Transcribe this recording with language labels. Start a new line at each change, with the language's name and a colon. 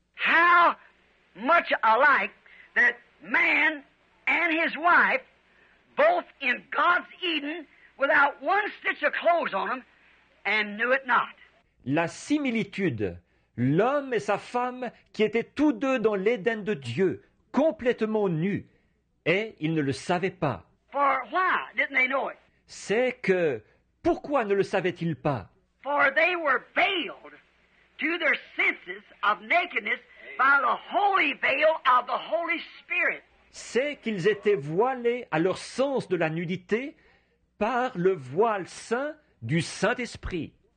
English: How much alike that man and his wife, both in God's Eden, without one stitch of clothes on them, and knew it not.
French: La similitude, l'homme et sa femme qui étaient tous deux dans l'Éden de Dieu, complètement nus, et ils ne le savaient pas.
English: For why didn't they know it?
French: C'est que, pourquoi ne le savaient-ils pas?
English: For they were veiled to their senses of nakedness by the holy veil of the Holy Spirit.
French: C'est qu'ils étaient voilés à leur sens de la nudité par le voile saint du Saint-Esprit.